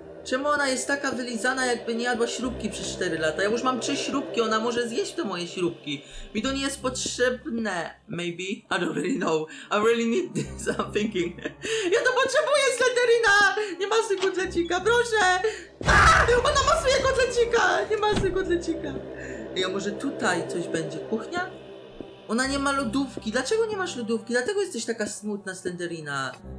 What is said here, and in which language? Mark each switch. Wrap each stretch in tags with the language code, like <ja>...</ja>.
<pl>Czemu ona jest taka wylizana, jakby nie jadła śrubki przez 4 lata? Ja już mam 3 śrubki, ona może zjeść te moje śrubki. Mi to nie jest potrzebne.</pl> <en>Maybe? I don't really know. I really need this, I'm thinking.</en> <pl>Ja to potrzebuję, Slenderina! Nie masuj kotlecika, proszę! Aaaa! Ona masuje kotlecika! Nie masuj kotlecika! Ej, a może tutaj coś będzie? Kuchnia? Ona nie ma lodówki. Dlaczego nie masz lodówki? Dlatego jesteś taka smutna, Slenderina.</pl>